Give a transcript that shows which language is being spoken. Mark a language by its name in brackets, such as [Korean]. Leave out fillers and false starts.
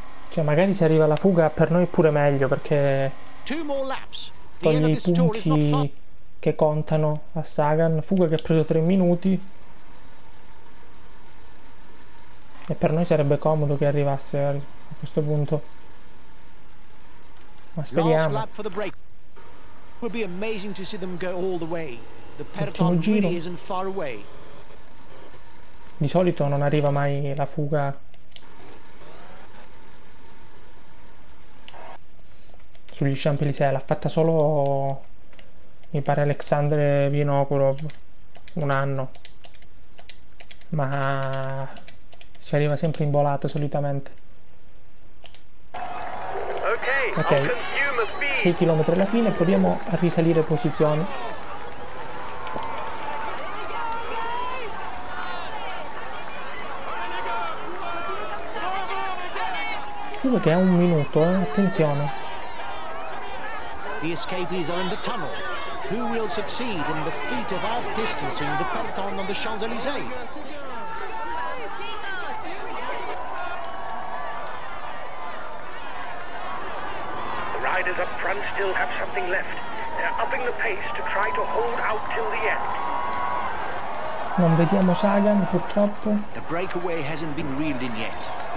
[Italian] Cioè magari se arriva la fuga per noi è pure meglio, perché togli i punti che contano a Sagan. Fuga che ha preso 3 minuti e per noi sarebbe comodo che arrivasse a questo punto, ma speriamo. [English] Would be amazing to see them go all the way. The peloton really isn't far away. [Italian] Di solito non arriva mai la fuga. Sugli Champs-Élysées l'ha fatta solo, mi pare, Alexandre Vinokurov un anno. Ma si arriva sempre in volata solitamente. Ok, 6 km alla fine, proviamo a risalire posizione. Dico che è un minuto, attenzione. [English] The escapees are in the tunnel. Who will succeed in the feat of outdistancing the peloton on the Champs-Élysées? The riders up front still have something left. They're upping the pace to try to hold out till the end. [Italian] Non vediamo Sagan, purtroppo. [English] The breakaway hasn't been reeled in yet.